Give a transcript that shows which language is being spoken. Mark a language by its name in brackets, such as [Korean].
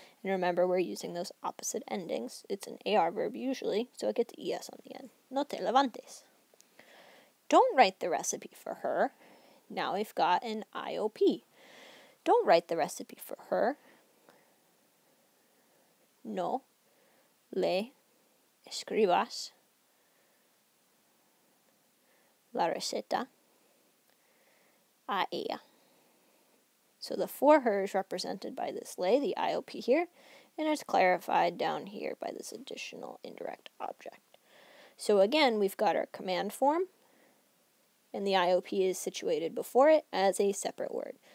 [English] And remember, we're using those opposite endings. It's an AR verb usually, so it gets ES on the end. [Spanish] No te levantes. [English] Don't write the recipe for her. Now we've got an IOP. Don't write the recipe for her. [Spanish] No le escribas la receta a ella. [English] So the for her is represented by this le, the IOP here, and it's clarified down here by this additional indirect object. So again, we've got our command form, and the IOP is situated before it as a separate word.